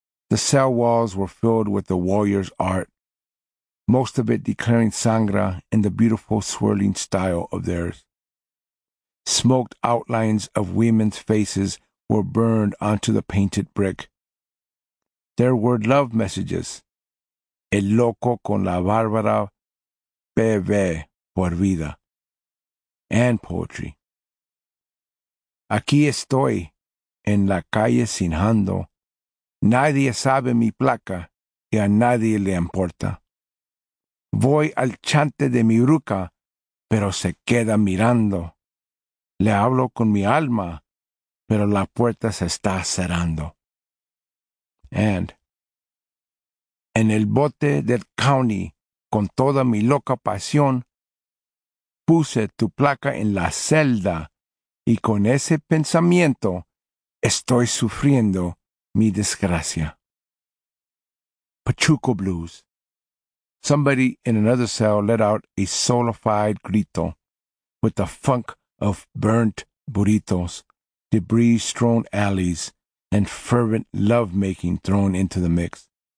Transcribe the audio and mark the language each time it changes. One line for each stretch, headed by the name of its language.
English: The cell walls were filled with the warrior's art, most of it declaring sangre in the beautiful swirling style of theirs. Smoked outlines of women's faces were burned onto the painted brick. There were love messages.
Spanish: "El loco con la bárbara bebe por vida."
English: And poetry.
Spanish: "Aquí estoy, en la calle sin hando. Nadie sabe mi placa y a nadie le importa. Voy al chante de mi ruca, pero se queda mirando. Le hablo con mi alma, pero la puerta se está cerrando." And, "En el bote del county, con toda mi loca pasión, puse tu placa en la celda, y con ese pensamiento estoy sufriendo mi desgracia."
English: Pachuco Blues. Somebody in another cell let out a solidified grito with the funk of burnt burritos, debris-strewn alleys, and fervent lovemaking thrown into the mix.